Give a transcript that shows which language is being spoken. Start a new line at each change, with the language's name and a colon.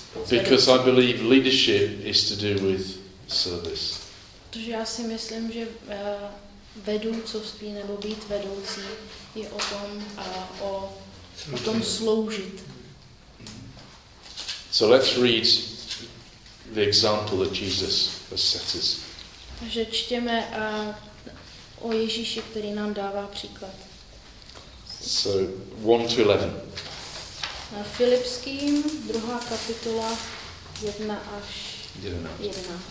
English: Because I believe leadership is to do with service.
Czech: Protože já si myslím, že vedoucovství nebo být vedoucí je o tom o tom sloužit.
English: So let's read the example that Jesus has set us.
Czech: Takže čteme o Ježíši, který nám dává příklad.
English: So 1 to 11.
Czech: Filipským, druhá kapitola, 1 až 11.